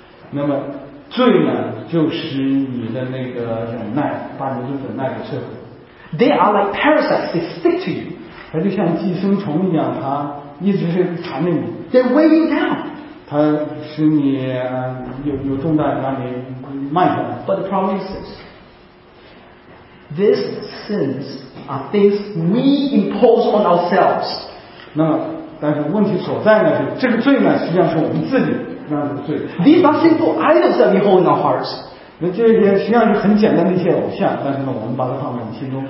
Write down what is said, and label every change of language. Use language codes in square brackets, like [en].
[zh] 那么罪呢，就使你的那个忍耐，把你的忍耐给摧毁。 [en] They are like parasites. They stick to you. [zh] 它就像寄生虫一样，它一直是缠着你。 [en] They're weighing down. [zh] 它使你有重担让你慢下来。 [en] But the problem is this. These sins are things we impose on ourselves. [zh] 那但是问题所在呢是这个罪呢实际上是我们自己让这个罪。 [en] These are simple idols that we hold in our hearts. [zh] 那这些实际上是很简单的一些偶像，但是呢我们把它放在我们心中。